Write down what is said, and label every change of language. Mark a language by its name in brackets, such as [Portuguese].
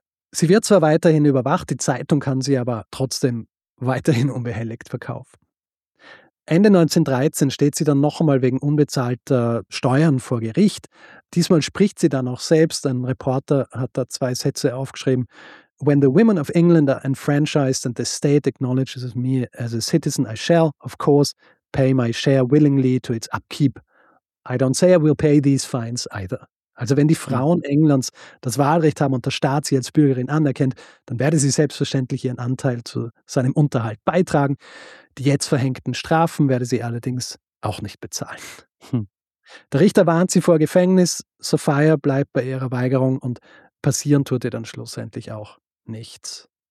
[German] Sie wird zwar weiterhin überwacht, die Zeitung kann sie aber trotzdem weiterhin unbehelligt verkauft. Ende 1913 steht sie dann noch einmal wegen unbezahlter Steuern vor Gericht. Diesmal spricht sie dann auch selbst. Ein Reporter hat da zwei Sätze aufgeschrieben. [English] "When the women of England are enfranchised and the state acknowledges me as a citizen, I shall, of course, pay my share willingly to its upkeep. I don't say I will pay these fines either." [German] Also wenn die Frauen Englands das Wahlrecht haben und der Staat sie als Bürgerin anerkennt, dann werde sie selbstverständlich ihren Anteil zu seinem Unterhalt beitragen. Die jetzt verhängten Strafen werde sie allerdings auch nicht bezahlen. Der Richter warnt sie vor Gefängnis, Sophia bleibt bei ihrer Weigerung und passieren tut ihr dann schlussendlich auch nichts.